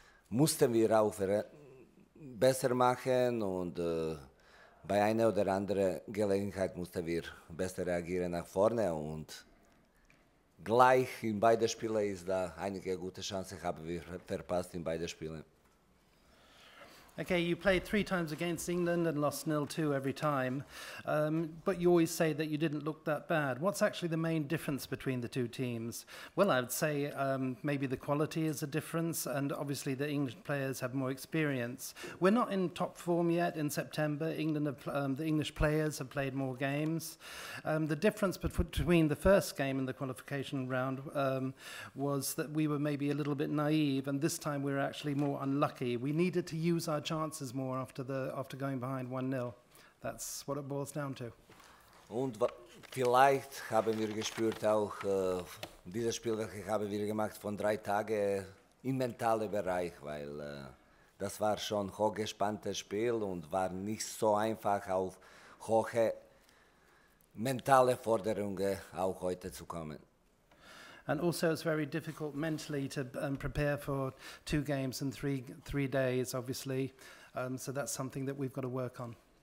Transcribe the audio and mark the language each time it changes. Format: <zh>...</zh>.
<de>mussten wir auch besser machen und bei einer oder anderen Gelegenheit mussten wir besser reagieren nach vorne und gleich in beiden Spielen ist da einige gute Chancen haben wir verpasst in beiden Spielen.</de> <en>Okay, you played three times against England and lost 0-2 every time, but you always say that you didn't look that bad. What's actually the main difference between the two teams? Well, I would say maybe the quality is a difference, and obviously the English players have more experience. We're not in top form yet in September. England have, the English players have played more games. The difference between the first game and the qualification round was that we were maybe a little bit naive, and this time we were actually more unlucky. We needed to use our chances more after going behind 1-0. That's what it boils down to.</en> <de>Und vielleicht haben wir gespürt auch dieses Spiel, welches haben wir gemacht von drei Tagen im mentalen Bereich, weil das war schon hochgespanntes Spiel und war nicht so einfach auf hohe mentale Forderungen auch heute zu kommen.</de> <en>And also it's very difficult mentally to prepare for two games in three days, obviously. So that's something that we've got to work on.</en>